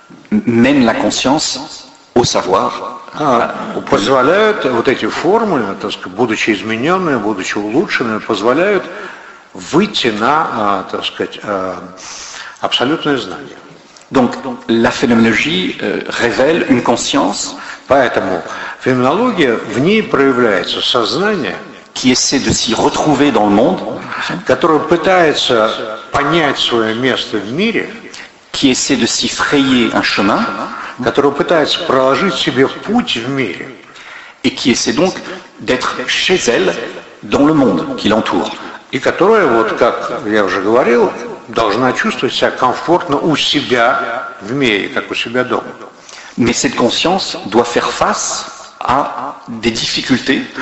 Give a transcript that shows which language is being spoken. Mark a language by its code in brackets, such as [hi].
[fr] mène la conscience au savoir. [ru] Позволяют вот эти формы, так сказать, будучи измененными, будучи улучшенными, позволяют выйти на, так сказать, абсолютное знание. [fr] Donc, la phénoménologie révèle une conscience. [ru] Поэтому феноменология, в ней проявляется сознание, [fr] qui essaie de s'y retrouver dans le monde, [ru] которое пытается понять свое место в мире, [fr] qui essaie de s'y frayer un chemin, [ru] которое пытается проложить себе путь в мире, [fr] et qui essaie donc d'être chez elle dans le monde qui l'entoure. [ru] И которая, вот как я уже говорил, должна чувствовать себя комфортно у себя в мире, как у себя дома. [fr] Mais cette conscience doit faire face à des difficultés.